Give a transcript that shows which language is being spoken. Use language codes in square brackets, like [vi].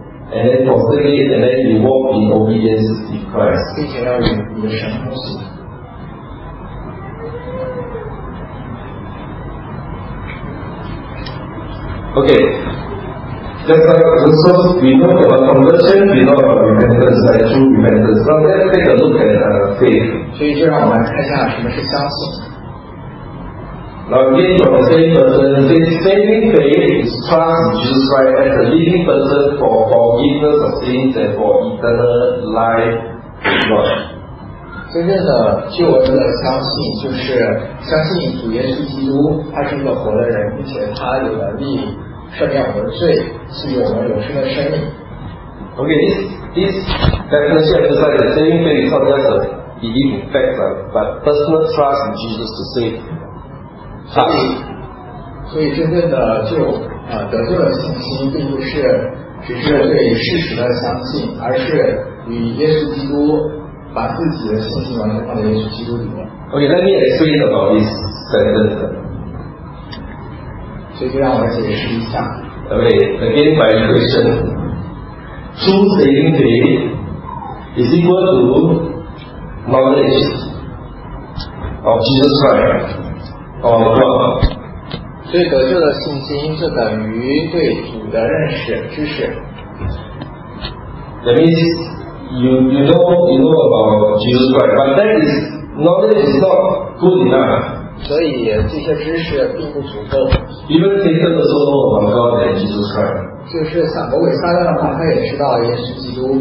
[en] And then forsake it, and then you walk in obedience to Christ, [zh] 并且要与你的神同行。 [en] Okay. Just like the source, we know about conversion, we know about repentance, like true repentance. Now let's take a look at faith. [zh] 所以就让我们看一下什么是相信。 [en] Now again, from the same person, says, saving faith is trust in Jesus Christ as a living person for forgiveness of sins and for eternal life with God. [zh] 真正的救恩的相信就是相信主耶稣基督，他是一个活的人，并且他有能力赦免我们的罪，赐予我们永生的生命。 [en] Okay, this definition is like the saving faith is not just a belief in fact, but personal trust in Jesus to save. [zh] 所以真正的救得救的信心，并不是只是对事实的相信，而是与耶稣基督把自己的信心完全放在耶稣基督里面。 [en] Okay, let me explain about this sentence. [zh] 所以就让我解释一下。 [en] Okay, again by equation, true saving faith is equal to knowledge of Jesus Christ or God. [zh] 所以得救的信心是等于对主的认识、知识。 [en] That means you know about Jesus Christ, but that is knowledge is not good enough. [zh] 所以这些知识并不足够。 [en] Even Satan also knows about God and Jesus Christ. [zh] 就是撒魔鬼撒旦的话，他也知道耶稣基督。